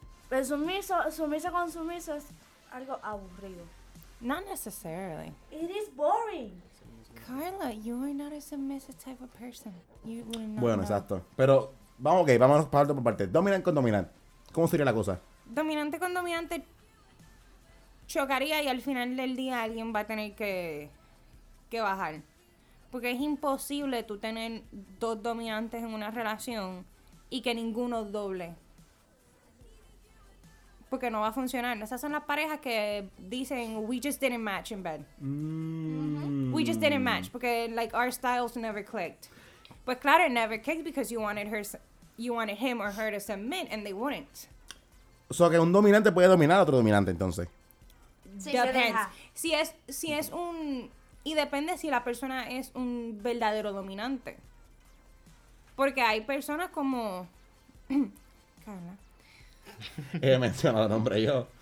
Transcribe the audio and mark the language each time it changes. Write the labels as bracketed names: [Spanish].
[Spanish] Pero sumiso, sumiso con sumiso es algo aburrido. [English] Not necessarily. It is boring. Carla, you are not a submissive type of person. You will not [Spanish] bueno, Exacto. Pero vamos, okay, vámonos parte por parte. [English] Dominant con dominant. [Spanish] ¿Cómo sería la cosa? Dominante con dominante chocaría y al final del día alguien va a tener que bajar. Porque es imposible tú tener dos dominantes en una relación y que ninguno doble. Porque no va a funcionar. Esas son las parejas que dicen, [English] we just didn't match in bed. Mm-hmm. We just didn't match. Porque, like, our styles never clicked. But [Spanish] claro, [English] it never clicked because you wanted him or her to submit and they wouldn't. [Spanish] O sea, que un dominante puede dominar a otro dominante, entonces. Sí, depends. Si es un... Y depende si la persona es un verdadero dominante. Porque hay personas como... Carla. He mencionado el nombre yo.